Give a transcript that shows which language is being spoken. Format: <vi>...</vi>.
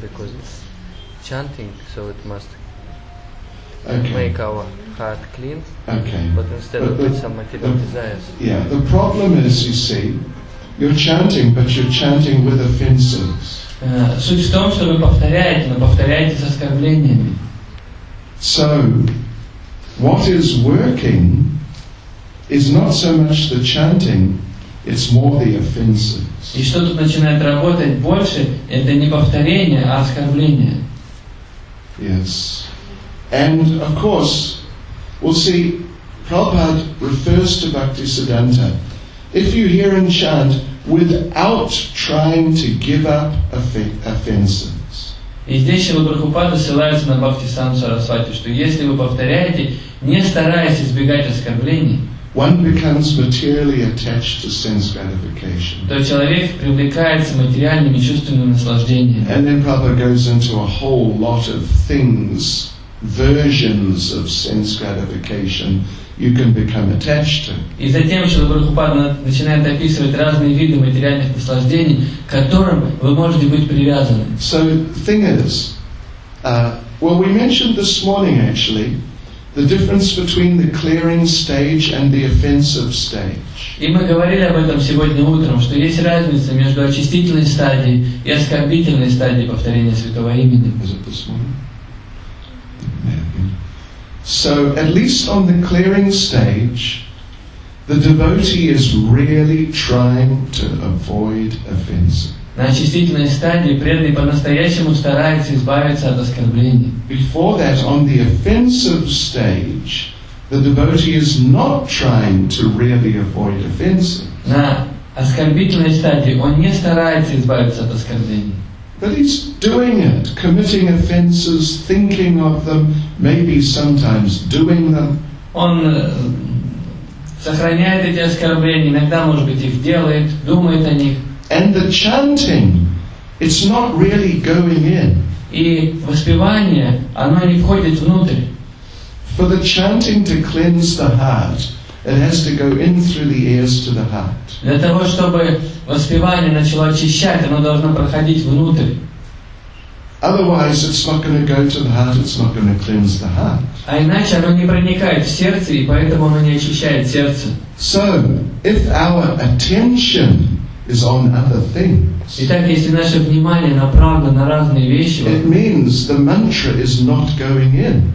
<en>Because it's chanting, so it must make our heart clean. Okay. But instead of with some material desires. Yeah, the problem is, you see, you're chanting, but you're chanting with offenses.</en> <ru>Суть в том, что вы повторяете, но повторяете с оскорблениями.</ru> <en>So, what is working is not so much the chanting, it's more the offenses.</en> <ru>И что тут начинает работать больше, это не повторение, а оскорбление.</ru> <en>Yes. And of course, we'll see, Prabhupada refers to Bhaktisiddhanta. If you hear and chant without trying to give up offenses.</en> <ru>И здесь его Прабхупада ссылается на Бхактисиддханта Сарасвати, что если вы повторяете, не стараясь избегать оскорблений,</ru> <en>one becomes materially attached to sense gratification.</en> <ru>То человек привлекается материальными чувственными наслаждениями.</ru> <en>And then Prabhupada goes into a whole lot of things, versions of sense gratification you can become attached to.</en> <ru>И затем Шрила Прабхупада начинает описывать разные виды материальных наслаждений, к которым вы можете быть привязаны.</ru> <en>So the thing is, well, we mentioned this morning actually, the difference between the clearing stage and the offensive stage.</en> <ru>И мы говорили об этом сегодня утром, что есть разница между очистительной стадией и оскорбительной стадией повторения святого имени.</ru> <en>Is it this morning? So, at least on the clearing stage, the devotee is really trying to avoid offenses.</en> <ru>На очистительной стадии преданный по-настоящему старается избавиться от оскорблений.</ru> <en>Before that, on the offensive stage, the devotee is not trying to really avoid offenses.</en> <ru>На оскорбительной стадии он не старается избавиться от оскорблений.</ru> <en>But he's doing it, committing offenses, thinking of them, maybe sometimes doing them.</en> <ru>Он сохраняет эти оскорбления, иногда, может быть, их делает, думает о них.</ru> <en>And the chanting, it's not really going in.</en> <ru>И воспевание, оно не входит внутрь.</ru> <en>For the chanting to cleanse the heart, it has to go in through the ears to the heart.</en> <ru>Для того, чтобы воспевание начало очищать, оно должно проходить внутрь.</ru> <en>Otherwise, it's not going to go to the heart. It's not going to cleanse the heart.</en> <ru>А иначе оно не проникает в сердце, и поэтому оно не очищает сердце.</ru> <en>So, if our attention is on other things,</en> <ru>итак, если наше внимание направлено на разные вещи,</ru> <en>it means the mantra is not going in.</en>